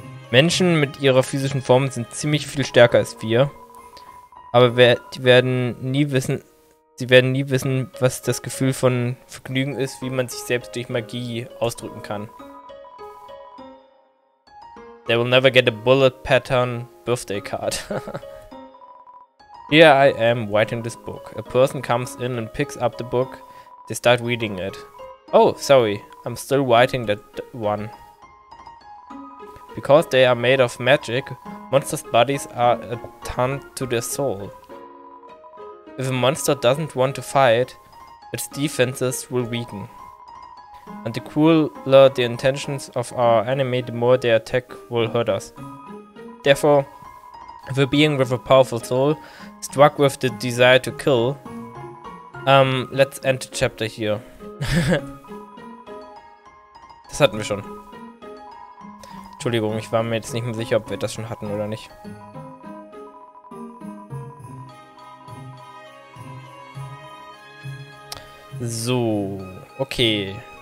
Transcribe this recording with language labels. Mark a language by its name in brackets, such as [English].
[German] Menschen mit ihrer physischen Form sind ziemlich viel stärker als wir, aber sie werden nie wissen, was das Gefühl von Vergnügen ist, wie man sich selbst durch Magie ausdrücken kann. [English] They will never get a bullet pattern birthday card. Here I am writing this book. A person comes in and picks up the book. They start reading it. Oh, sorry. I'm still writing that one. Because they are made of magic, monsters' bodies are attuned to their soul. If a monster doesn't want to fight, its defenses will weaken. And the crueler the intentions of our enemy, the more their attack will hurt us. Therefore, if a being with a powerful soul struck with the desire to kill, let's end the chapter here. [German] Das hatten wir schon. Entschuldigung, ich war mir jetzt nicht mehr sicher, ob wir das schon hatten oder nicht. So, okay.